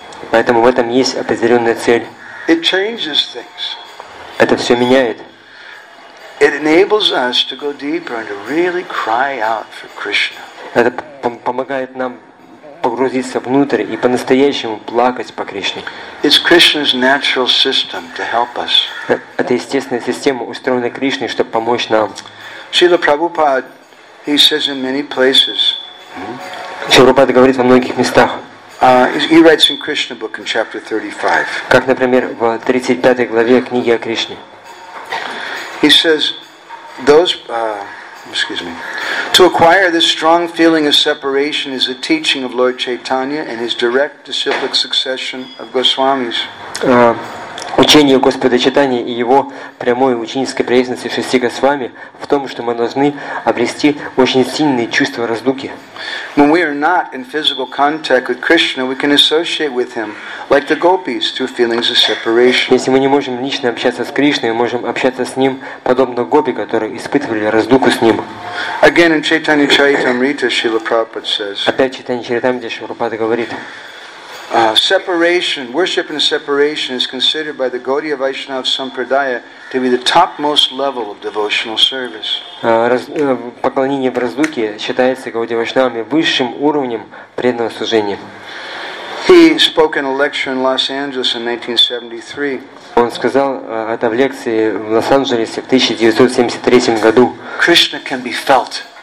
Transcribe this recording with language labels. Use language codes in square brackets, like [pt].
[ru] Поэтому в этом есть определенная цель. [en] It changes things. [ru] Это все меняет. [en] It enables us to go deeper and to really cry out for Krishna. [ru] Это помогает нам погрузиться внутрь и по-настоящему плакать по Кришне. [en] It's Krishna's natural system to help us. [ru] Это естественная система, устроенная Кришной, чтобы помочь нам. [en] Шрила Прабхупад, he says in many places. [ru] Шрила Прабхупад говорит во многих местах. [en] He writes in Krishna book in chapter 35. [ru] Как, например, в 35 главе книги о Кришне. [en] He says, to acquire this strong feeling of separation is a teaching of Lord Chaitanya and his direct disciplic succession of Goswamis. [ru] Учение Господа Чайтаньи и его прямой ученической преемственности в шести Госвами в том, что мы должны обрести очень сильные чувства разлуки. [en] When we are not in physical contact with Krishna, we can associate with him like the gopis through feelings of separation. [ru] Если мы не можем лично общаться с Кришной, мы можем общаться с ним подобно гопи, которые испытывали разлуку с ним. [en] Again in Chaitanya Charitamrita, Srila Prabhupada says. [ru] Опять Чайтанья Чаритамрита, Шрила Прабхупада говорит. [en] Separation, worship and separation is considered by the Gaudiya Vaishnava Sampradaya to be the topmost level of devotional service. [ru] Поклонение в раздуке считается Гаудия Вайшнавами высшим уровнем преданного служения. [en] He spoke in a lecture in Los Angeles in 1973. [ru] Он сказал это в лекции в Лос-Анджелесе в 1973 году. [en] Krishna can be felt.